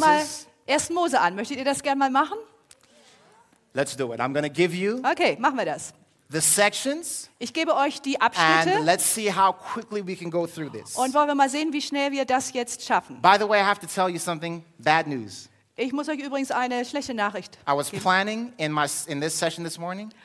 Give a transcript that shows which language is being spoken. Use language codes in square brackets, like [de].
[de] Dann schauen wir uns mal 1. Mose an. Möchtet ihr das gerne mal machen? [en] Let's do it. I'm going to give you. [de] Okay, machen wir das. [en] The sections. [de] Ich gebe euch die Abschnitte. [en] And let's see how quickly we can go through this. [de] Und wollen wir mal sehen, wie schnell wir das jetzt schaffen. [en] By the way, I have to tell you something. Bad news. [de] Ich muss euch übrigens eine schlechte Nachricht geben. [en] I was planning in this session this morning.